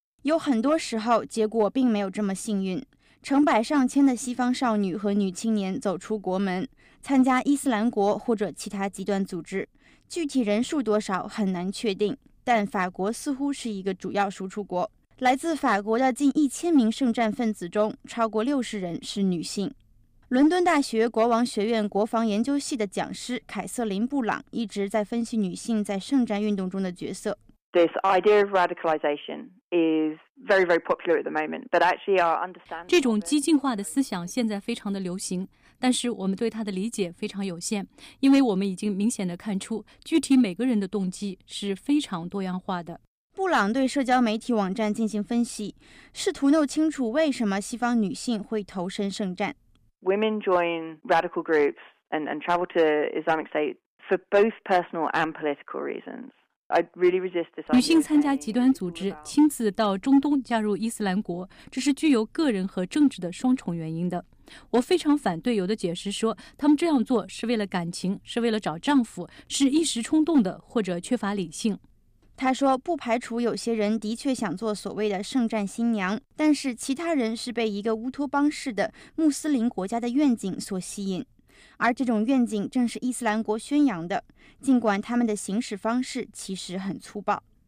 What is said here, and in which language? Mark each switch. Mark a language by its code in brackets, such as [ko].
[zh] 有很多时候结果并没有这么幸运，成百上千的西方少女和女青年走出国门参加伊斯兰国或者其他极端组织，具体人数多少很难确定，但法国似乎是一个主要输出国。来自法国的近1000名圣战分子中，超过60人是女性。伦敦大学国王学院国防研究系的讲师凯瑟琳·布朗一直在分析女性在圣战运动中的角色。 [en] This idea of radicalization is very, very popular at the moment, but actually our understanding. [zh] 这种激进化的思想现在非常的流行，但是我们对它的理解非常有限，因为我们已经明显的看出，具体每个人的动机是非常多样化的。布朗对社交媒体网站进行分析，试图弄清楚为什么西方女性会投身圣战。 [en] Women join radical groups and travel to Islamic State for both personal and political reasons. I really resist this idea. [zh] 女性参加极端组织，亲自到中东加入伊斯兰国，这是具有个人和政治的双重原因的。我非常反对有的解释说，他们这样做是为了感情，是为了找丈夫，是一时冲动的或者缺乏理性。他说，不排除有些人的确想做所谓的圣战新娘，但是其他人是被一个乌托邦式的穆斯林国家的愿景所吸引，而这种愿景正是伊斯兰国宣扬的，尽管他们的行事方式其实很粗暴。